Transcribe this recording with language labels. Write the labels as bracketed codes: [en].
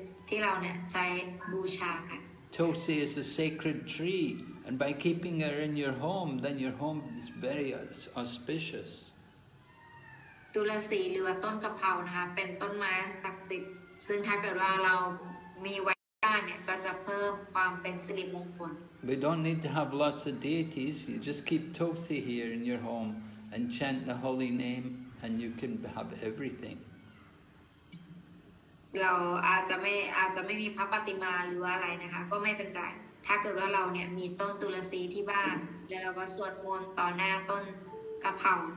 [en] Tulsi is a sacred tree. And by keeping her in your home, then your home is very auspicious. [th] ตุลสีหรือว่าต้นกระเพรานะคะเป็นต้นไม้ศักดิ์สิทธิ์ซึ่งถ้าเกิดว่าเรามีไว้บ้านเนี่ยก็จะเพิ่มความเป็นสิริมงคล [en] We don't need to have lots of deities. You just keep Tulsi here in your home and chant the holy name, and you can have everything. [th] เราอาจจะไม่มีพระปฏิมาหรือว่าอะไรนะคะก็ไม่เป็นไรถ้าเกิดว่าเราเนี่ยมีต้นตุลสีที่บ้านแล้วเราก็สวดมนต์ต่อหน้าต้นกระเพรา